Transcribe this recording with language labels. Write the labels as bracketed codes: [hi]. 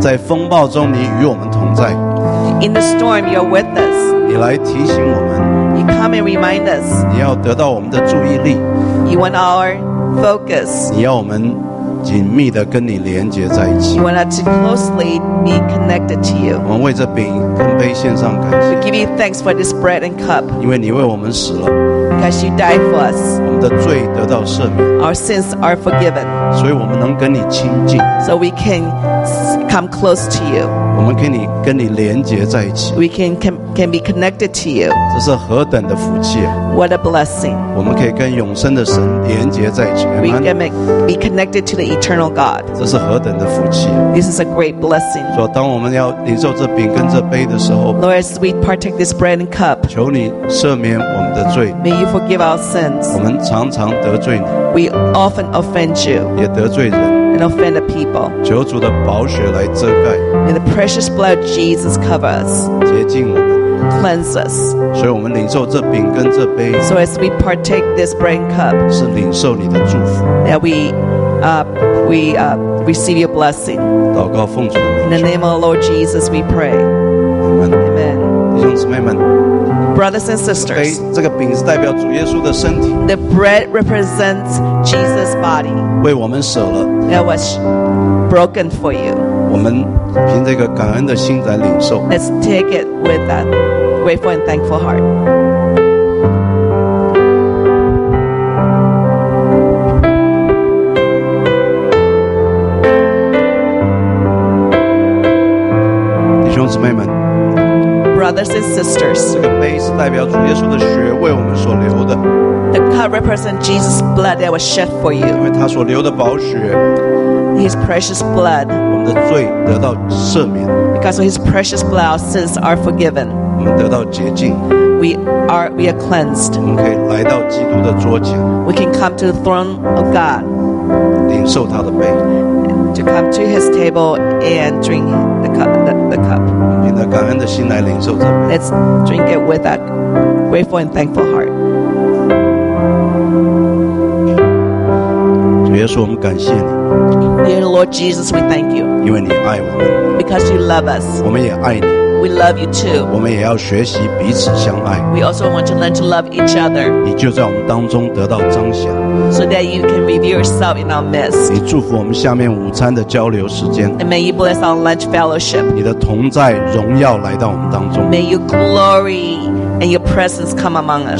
[zh] 在风暴中，你与我们同在。 [en] In the storm, you're with us. [zh] 你来提醒我们。 [en] You come and remind us. [zh] 你要得到我们的注意力。 [en] You want our focus. [zh] 你要我们紧密的跟你连接在一起。 [en] You want us to closely be connected to you. [zh] 我们为这饼跟杯献上感谢。 [en] We give you thanks for this bread and cup. [zh] 因为你为我们死了。 [en] Because you died for us, [zh] 我们的罪得到赦免。 [en] Our sins are forgiven. [zh] 所以我们能跟你亲近。 [en] So we can come close to you. [zh] 我们可以跟你连接在一起。 [en] We can be connected to you. [zh] 这是何等的福气啊！ [en] What a blessing! [zh] 我们可以跟永生的神连接在一起。 [en] We can be connected to the eternal God. [zh] 这是何等的福气啊！ [en] This is a great blessing. [zh] 说当我们要领受这饼跟这杯的时候， [en] Lord, as we partake this bread and cup, [zh] 求你赦免我们的罪。 [en] May you forgive our sins. [zh] 我们常常得罪你。 [en] We often offend you. [zh] 也得罪人。 [en] and offend the people. [zh] 求主的宝血来遮盖。 [en] May the precious blood of Jesus cover us. [zh] 洁净我们。 [en] Cleanse us. [zh] 所以我们领受这饼跟这杯。 [en] So as we partake this bread and cup, [zh] 是领受你的祝福。 [en] That we receive your blessing. [zh] 祷告奉主的名。 [en] In the name of the Lord Jesus, we pray. Amen. Amen. [zh] 弟兄姊妹们。 [en] Brothers and sisters, [zh] 这个饼是代表主耶稣的身体。 [en] The bread represents Jesus' body. [zh] 为我们舍了。 [en] That was broken for you. [zh] 我们凭这个感恩的心来领受。 [en] Let's take it with a grateful and thankful heart. [zh] 弟兄姊妹们。 [en] Brothers and sisters, [zh] 这个杯是代表主耶稣的血为我们所流的。 [en] The cup represents Jesus' blood that was shed for you. [zh] 因为他所流的宝血。 [en] His precious blood. [zh] 我们的罪得到赦免。 [en] Because of his precious blood, our sins are forgiven. [zh] 我们得到洁净。 [en] We are cleansed. [zh] 我们可以来到基督的桌前。 [en] We can come to the throne of God. [zh] 领受他的杯。 [en] To come to his table and drink the cup. [zh] 凭着感恩的心来领受这杯。 [en] Let's drink it with a grateful and thankful heart. [zh] 主耶稣，我们感谢你。 [en] Dear Lord Jesus, we thank you. [zh] 因为你爱我们。 [en] Because you love us. [zh] 我们也爱你。 [en] We love you too. [zh] 我们也要学习彼此相爱。 [en] We also want to learn to love each other. [zh] 你就在我们当中得到彰显。 [en] So that you can reveal yourself in our midst. [zh] 你祝福我们下面午餐的交流时间。 [en] And may you bless our lunch fellowship. [zh] 你的同在荣耀来到我们当中。 [en] May your glory and your presence come among us.